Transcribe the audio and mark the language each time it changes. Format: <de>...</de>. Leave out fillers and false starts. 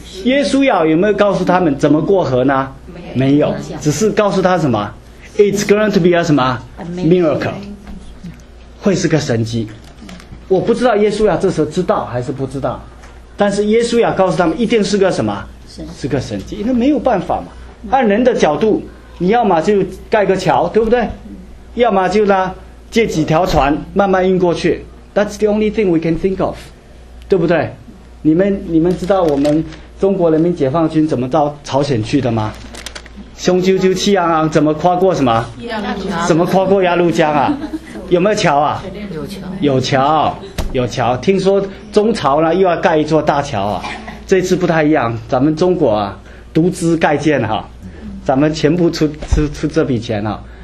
<zh>耶稣亚有没有告诉他们怎么过河呢？没有，只是告诉他什么</zh> <en>It's going to be a</en> <zh>什么 miracle， 会是个神迹。我不知道耶稣亚这时候知道还是不知道，但是耶稣亚告诉他们一定是个什么，是个神迹。那没有办法嘛，按人的角度，你要么就盖个桥，对不对？要么就呢借几条船慢慢运过去。</zh> <en>That's the only thing we can think of，</en> <zh>对不对？你们知道我们中国人民解放军怎么到朝鲜去的吗？雄赳赳气昂昂，怎么跨过什么？怎么跨过鸭绿江啊？有没有桥啊？有桥，有桥，有桥。听说中朝呢又要盖一座大桥啊，这次不太一样，咱们中国啊独资盖建哈、啊，咱们全部出这笔钱啊。</zh>